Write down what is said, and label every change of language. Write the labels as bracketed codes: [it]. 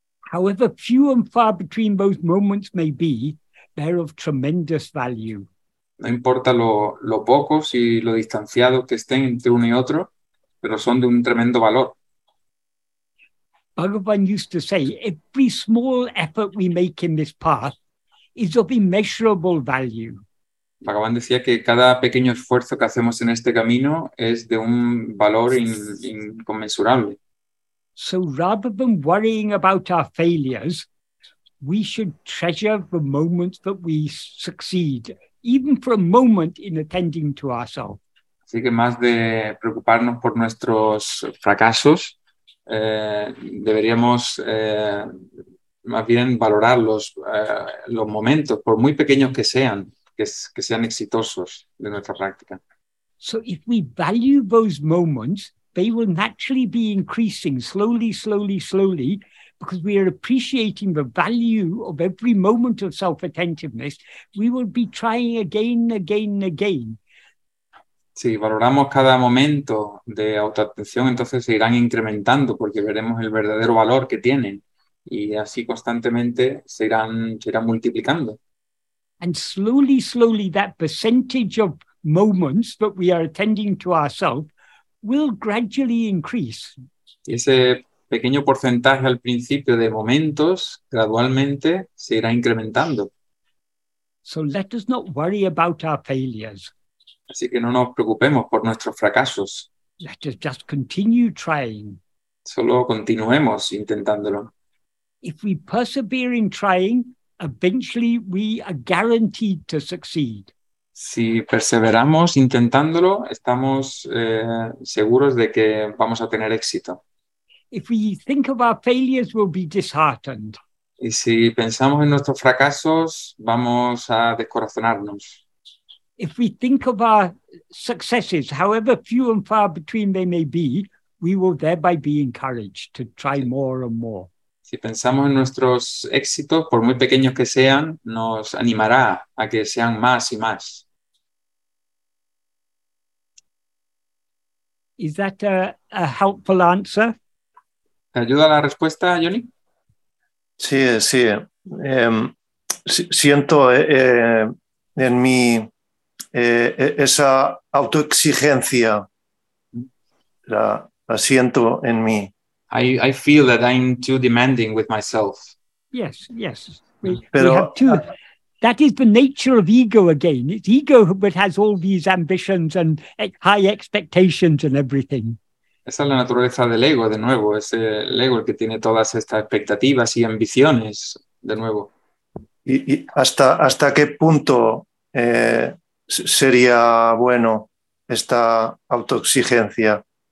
[en] However few and far between those moments may be, they're of tremendous value. [es] No importa lo pocos y lo distanciados que estén entre uno y otro, pero son de un tremendo valor. [en] Bhagavan used to say, every small effort we make in this path is of immeasurable value. [es] Bhagavan decía que cada pequeño esfuerzo que hacemos en este camino es de un valor inconmensurable. [en] So rather than worrying about our failures, we should treasure the moments that we succeed, even for a moment in attending to ourselves. [es] Así que más de preocuparnos por nuestros fracasos, deberíamos más bien valorar los momentos, por muy pequeños que sean. que sean exitosos de nuestra práctica. [en] So if we value those moments, they will naturally be increasing slowly, slowly, slowly, because we are appreciating the value of every moment of self-attentiveness, we will be trying again, again, again. [es] Si valoramos cada momento de autoatención, entonces se irán incrementando porque veremos el verdadero valor que tienen y así constantemente se irán multiplicando. [en] And slowly, slowly, that percentage of moments that we are attending to ourselves will gradually increase. [es] Ese pequeño porcentaje al principio de momentos gradualmente se irá incrementando. [en] So let us not worry about our failures. [es] Así que no nos preocupemos por nuestros fracasos. [en] Let us just continue trying. [es] Solo continuemos intentándolo. [en] If we persevere in trying, eventually we are guaranteed to succeed. [es] Si perseveramos intentándolo, estamos seguros de que vamos a tener éxito. [en] If we think of our failures, we'll be disheartened. [es] Y si pensamos en nuestros fracasos, vamos a descorazonarnos. [en] If we think of our successes, however few and far between they may be, we will thereby be encouraged to try more and more. [es] Si pensamos en nuestros éxitos, por muy pequeños que sean, nos animará a que sean más y más. [en] Is that a helpful answer? [es] ¿Te ayuda la respuesta, Johnny? Sí, sí. Siento en mí esa autoexigencia. La siento en mí. [en] I feel that I'm too demanding with myself. Yes, yes. That is the nature of ego again. It's ego that has all these ambitions and high expectations and everything. [es] Esa es la naturaleza del ego, de nuevo. Es el ego el que tiene todas estas expectativas y ambiciones, de nuevo. ¿Y hasta qué punto sería bueno esta autoexigencia?